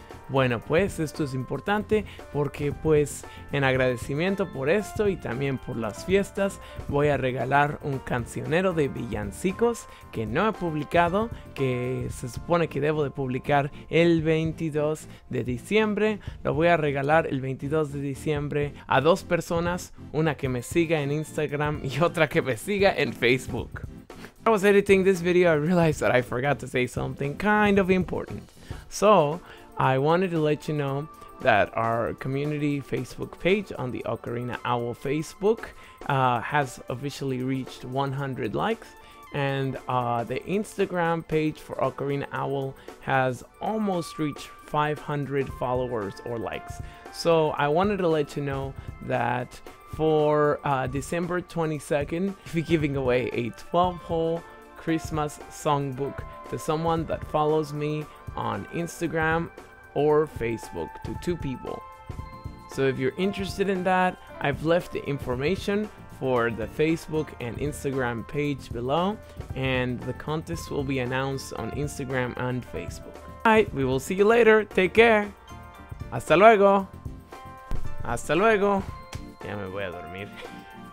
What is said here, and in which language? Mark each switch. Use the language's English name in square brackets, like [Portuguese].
[Spanish] Bueno, pues esto es importante porque pues en agradecimiento por esto y también por las fiestas voy a regalar un cancionero de villancicos que no he publicado, que se supone que debo de publicar el 22 de diciembre. Lo voy a regalar el 22 de diciembre a dos personas, una que me siga en Instagram y otra que me siga en Facebook. [English] When I was editing this video, I realized that I forgot to say something kind of important. So I wanted to let you know that our community Facebook page on the Ocarina Owl Facebook has officially reached 100 likes, and the Instagram page for Ocarina Owl has almost reached 500 followers or likes. So I wanted to let you know that for December 22nd, I'll be giving away a 12-hole Christmas songbook to someone that follows me on Instagram or Facebook, to two people. So if you're interested in that, I've left the information for the Facebook and Instagram page below, and the contest will be announced on Instagram and Facebook. Alright, we will see you later. Take care. [Spanish] Hasta luego. Hasta luego. Ya me voy a dormir.